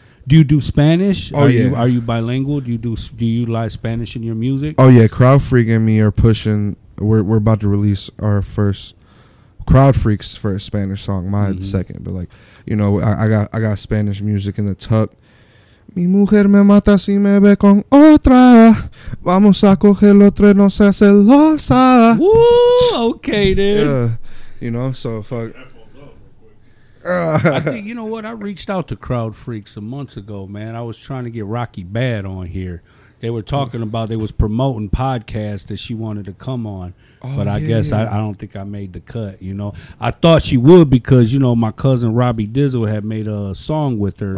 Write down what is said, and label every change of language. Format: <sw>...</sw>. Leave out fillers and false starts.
<en>Do you do Spanish? Oh, are yeah. Are you bilingual? Do you utilize Spanish in your music? Oh, yeah. Crowdfreak and me are pushing. We're about to release our first. Crowd Freak's first Spanish song, my mm-hmm. second, but like, you know, I got Spanish music in the tuck.</en> <es>Mi mujer me mata si me ve con otra. Vamos a coger el otro, no se hace losa.</es> <en>Woo, okay, dude. Yeah, you know, so fuck. I think, you know what, I reached out to Crowd Freaks a month ago, man. I was trying to get Rocky Bad on here. They were talking about, they was promoting podcasts that she wanted to come on. But I guess I don't think I made the cut, you know. I thought she would because, you know, my cousin Robbie Dizzle had made a song with her.</en>